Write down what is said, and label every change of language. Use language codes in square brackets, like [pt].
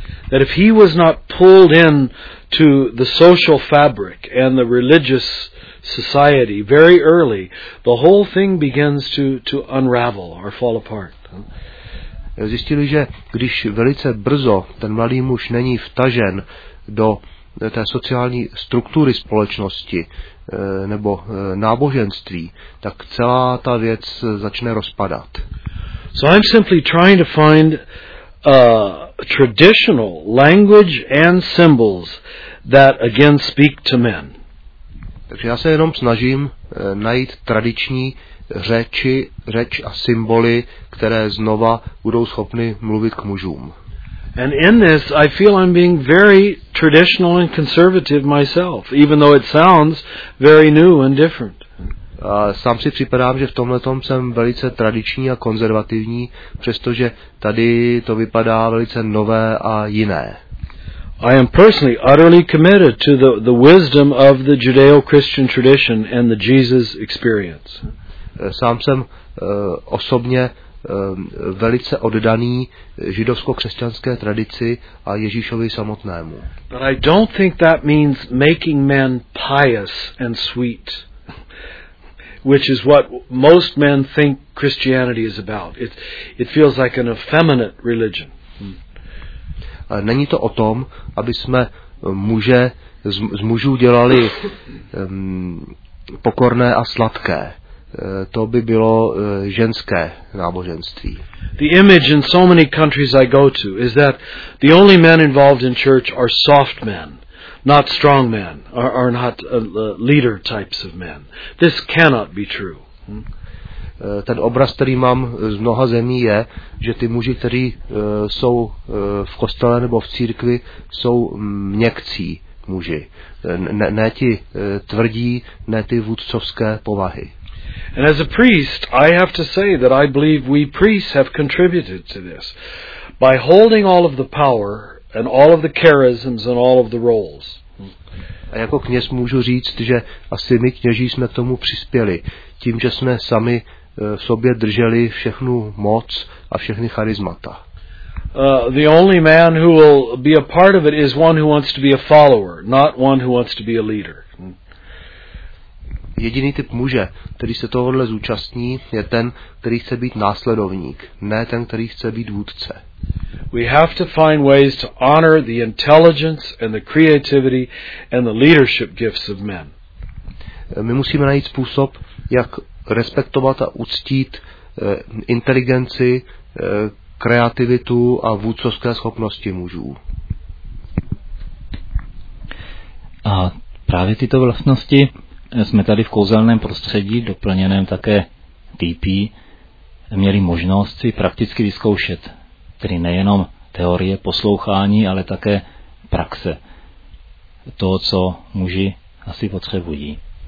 [en] That if he was not pulled in to the social fabric and the religious society very early, the whole thing begins to unravel or fall apart. [cs] Zjistili, že když velice brzo ten mladý muž není vtažen do té sociální struktury společnosti nebo náboženství, tak celá ta věc začne rozpadat. [en] So I'm simply trying to find traditional language and symbols that again speak to men. [cs] Takže já se jenom snažím najít tradiční řeči, řeč a symboly, které znova budou schopny mluvit k mužům. [en] And in this, I feel I'm being very traditional and conservative myself, even though it sounds very new and different. [cs] Sám si připadám, že v tomhle tom jsem velice tradiční a konzervativní, přestože tady to vypadá velice nové a jiné. [en] I am personally utterly committed to the wisdom of the Judeo-Christian tradition and the Jesus experience. [cs] Sám jsem osobně velice oddaný židovsko-křesťanské tradici a Ježíšovi samotnému. [en] But I don't think that means making men pious and sweet, which is what most men think Christianity is about. It feels like an effeminate religion. [cs] Není to o tom, aby jsme muže z mužů dělali pokorné a sladké. To by bylo ženské náboženství. [en] The image in so many countries I go to is that the only men involved in church are soft men, not strong men, are not leader types of men. This cannot be true. [cs] Ten obraz, který mám z mnoha zemí, je, že ty muži, kteří jsou v kostele nebo v církvi, jsou měkcí muži. Ne ti tvrdí, ne ty vůdcovské povahy. [en] And as a priest, I have to say that I believe we priests have contributed to this by holding all of the power and all of the charisms and all of the roles. [cs] A jako kněz můžu říct, že asi my kněží jsme k tomu přispěli, tím, že jsme sami v sobě drželi všechnu moc a všechny charismata. [en] The only man who will be a part of it is one who wants to be a follower, not one who wants to be a leader. [cs] Jediný typ muže, který se tohohle zúčastní, je ten, který chce být následovník, ne ten, který chce být vůdce. [en] We have to find ways to honor the intelligence and the creativity and the leadership gifts of men. [cs] My musíme najít způsob, jak respektovat a uctít inteligenci, kreativitu a vůdcovské schopnosti mužů. A právě tyto vlastnosti jsme tady v kouzelném prostředí, doplněném také TP, měli možnost si prakticky vyzkoušet, tedy nejenom teorie poslouchání, ale také praxe toho, co muži asi potřebují.